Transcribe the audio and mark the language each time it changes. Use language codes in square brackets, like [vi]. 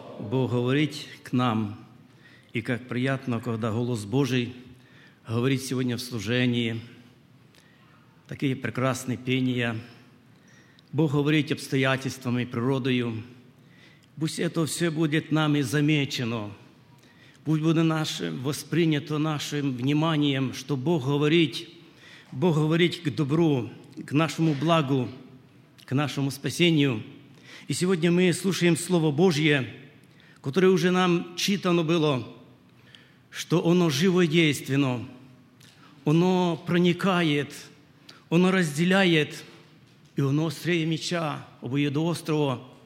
[uk] Бог говорить к нам, і як приємно, коли голос Божий говорить сьогодні в служенні. Такий прекрасний піння. Бог говорить обстоятельствами, природою. Пусть це все буде нами замечено. Пусть буде восприйнято нашим вниманням, що Бог говорить к добру, к нашому благу, к нашому спасінню. [ru] И сегодня мы слушаем Слово Божье, которое уже нам читано было, что оно живодейственно, оно проникает, оно разделяет, и оно острее меча, обоюдоострого.